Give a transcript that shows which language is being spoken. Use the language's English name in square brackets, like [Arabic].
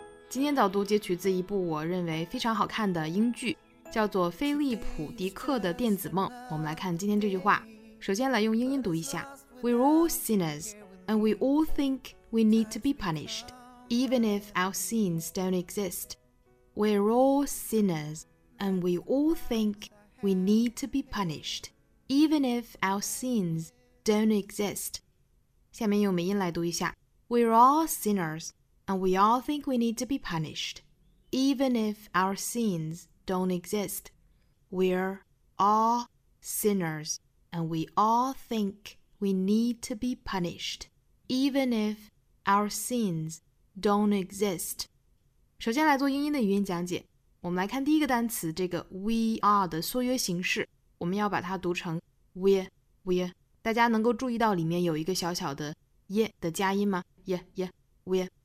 [Chinese] Today's 早读截取自一部我认为非常好看的英剧，叫做《菲利普·迪克的电子梦》。我们来看今天这句话。首先来用英音读一下。 [English] We're all sinners, and we all think we need to be punished. Even if our sins don't exist, we're all sinners, and we all think we need to be punished. Even if our sins don't exist. [Chinese] 下面用美音来读一下。 [English] We're all sinners, and we all think we need to be punished. Even if our sins don't exist. We're all sinners, and we all think we need to be punished. Even if our sins don't exist. [Chinese] 首先来做英音的语音讲解。我们来看第一个单词，这个 [English] we are [Chinese] 的缩约形式，我们要把它读成 we. 大家能够注意到里面有一个小小的 ye 的加音吗？ [English] ye, we.